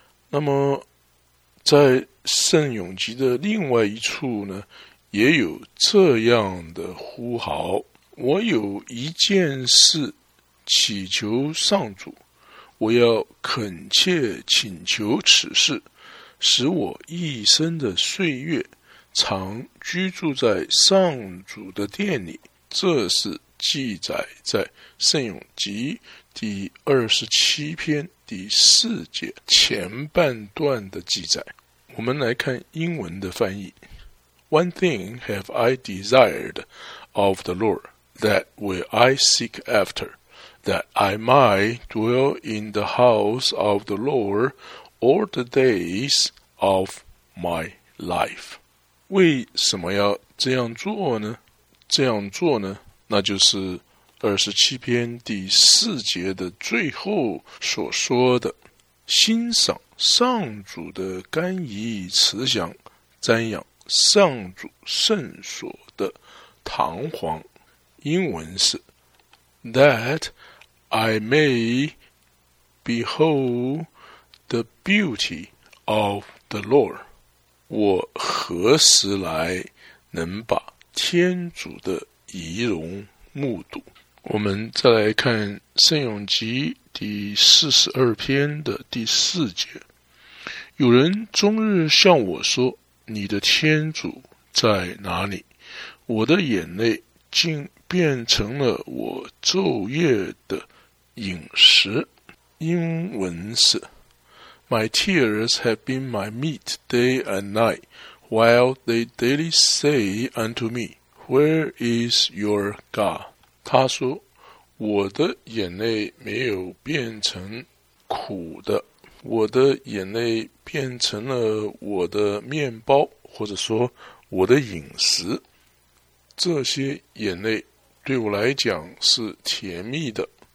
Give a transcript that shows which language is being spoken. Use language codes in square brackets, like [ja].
[zh] 那么在圣咏集的另外一处呢，也有这样的呼号：我有一件事祈求上主，我要恳切请求此事，使我一生的岁月常居住在上主的殿里。这是记载在圣咏集第27篇第四节前半段的记载。我们来看英文的翻译。 [en] One thing have I desired of the Lord, that will I seek after, that I might dwell in the house of the Lord all the days of my life. [zh] 为什么要这样做呢？这样做呢，那就是27篇第四节的最后所说的，欣赏上主的甘宜慈祥，瞻仰上主圣所的堂皇。英文是 [en] That I may behold the beauty of the Lord. [zh] 我何时来能把天主的仪容目睹。我们再来看圣咏集第42篇的第四节，有人终日向我说，你的天主在哪里？我的眼泪竟变成了我昼夜的饮食。英文是 [en] My tears have been my meat day and night, while they daily say unto me, Where is your God? [zh] 他说，我的眼泪没有变成苦的，我的眼泪变成了我的面包，或者说我的饮食。这些眼泪对我来讲是甜蜜的。